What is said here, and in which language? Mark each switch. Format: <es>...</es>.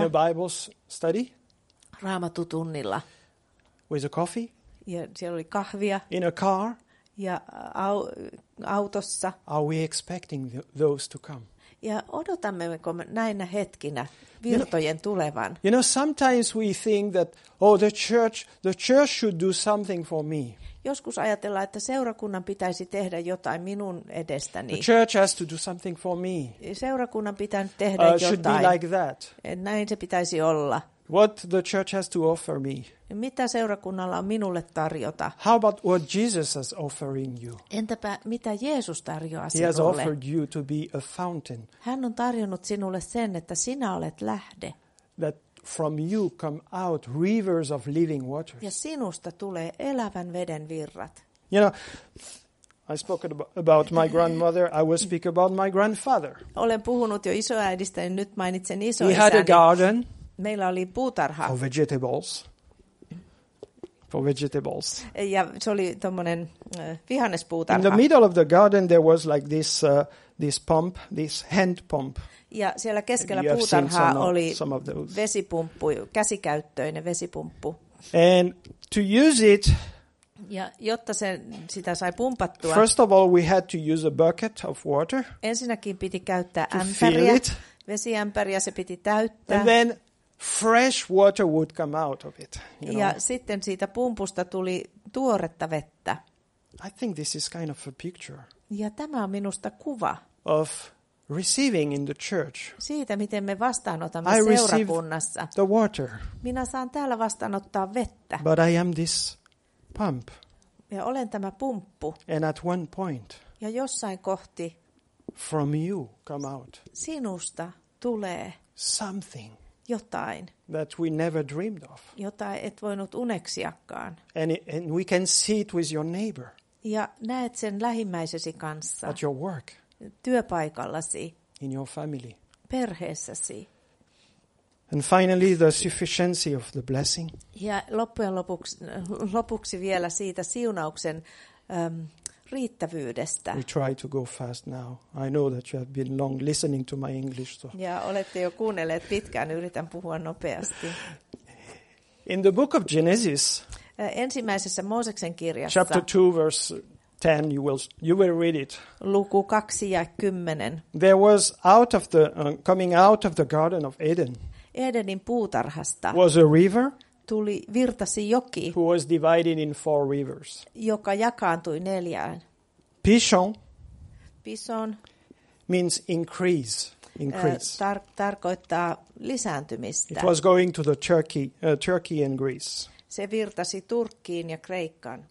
<en>In a Bible study.</en> <fi>Raamatutunnilla.</fi> <en>With a coffee.</en> <fi>Ja siellä oli kahvia.</fi> <en>In a car.</en> <fi>Ja autossa.</fi> <en>Are we expecting those to come?</en> <fi>Ja odotammeko näinä hetkinä virtojen tulevan.</fi> <en>You know, sometimes we think that oh the church should do something for me.</en> <fi>Joskus ajatellaan, että seurakunnan pitäisi tehdä jotain minun edestäni.</fi> <en>The church has to do something for me.</en> <fi>Seurakunnan pitää tehdä jotain.</fi> <en>Should be like that.</en> <fi>Näin se pitäisi olla.</fi> <en>What the church has to offer me?</en> <fi>Mitä seurakunnalla on minulle tarjota?</fi> <en>How about what Jesus is offering you?</en> <fi>Entäpä mitä Jeesus tarjoaa sinulle?</fi> <en>He has offered you to be a fountain.</en> <fi>Hän on tarjonnut sinulle sen, että sinä olet lähde.</fi> <en>That from you come out rivers of living waters.</en> <fi>Ja sinusta tulee elävän veden virrat.</fi> <en>You know, I spoke about my grandmother. I will speak about my grandfather.</en> <fi>Olen puhunut jo isoäidistä, ja nyt mainitsen isoisäni.</fi> <en>He had a garden.</en> <fi>Meillä oli puutarha.</fi> <en>Of vegetables. For vegetables.</en> <fi>Ja se oli tommonen vihannespuutarha.</fi> <en>In the middle of the garden there was like this pump, this hand pump.</en> <fi>Ja siellä keskellä puutarhaa oli vesipumppu, käsikäyttöinen vesipumppu.</fi> <en>And to use it.</en> <fi>Ja jotta sen sitä sai pumpattua.</fi> <en>First of all we had to use a bucket of water.</en> <fi>Ensinnäkin piti käyttää ämpäriä. Vesiämpäriä se piti täyttää.</fi> <en>And then fresh water would come out of it.</en> <fi>Ja sitten siitä pumpusta tuli tuoretta vettä.</fi> <en>I think this is kind of a picture.</en> <fi>Ja tämä on minusta kuva.</fi> <en>Of receiving in the church.</en> <fi>Siitä miten me vastaanotamme seurakunnassa.</fi> <en>The water.</en> <fi>Minä saan täällä vastaanottaa vettä.</fi> <en>But I am this pump.</en> <fi>Ja olen tämä pumppu.</fi> <en>And at one point.</en> <fi>Ja jossain kohti.</fi> <en>From you come out.</en> <fi>Sinusta tulee.</fi> <en>Something.</en> <fi>Jotain,</fi> <en>that we never dreamed of.</en> <fi>Jota et voinut uneksiakaan.</fi> <en>And we can see it with your neighbor.</en> <fi>Ja näet sen lähimmäisesi kanssa.</fi> <en>At your work.</en> <fi>Työpaikallasi.</fi> <en>In your family.</en> <fi>Perheessäsi.</fi> <en>And finally the sufficiency of the blessing.</en> <fi>Ja loppujen lopuksi vielä siitä siunauksen riittävyydestä.</fi> <en>We try to go fast now. I know that you have been long listening to my English. So.</en> <fi>Ja olette jo kuunnelleet pitkään, yritän puhua nopeasti.</fi> <en>In the book of Genesis.</en> <fi>Ensimmäisessä Mooseksen kirjassa.</fi> <en>Chapter 2 verse 10 you will read it.</en> <fi>Luku 2 ja 10.</fi> <en>There was out of the coming out of the garden of Eden.</en> <fi>Edenin puutarhasta.</fi> <en>Was a river.</en> <fi>Tuli virtasi joki,</fi> <en>who was divided in four rivers.</en> <fi>Joka jakaantui neljään.</fi> <en>Pishon means increase.</en> <fi>Tarkoittaa lisääntymistä.</fi> <en>It was going to the Turkey and Greece.</en> <fi>Se virtasi Turkkiin ja Kreikkaan.</fi>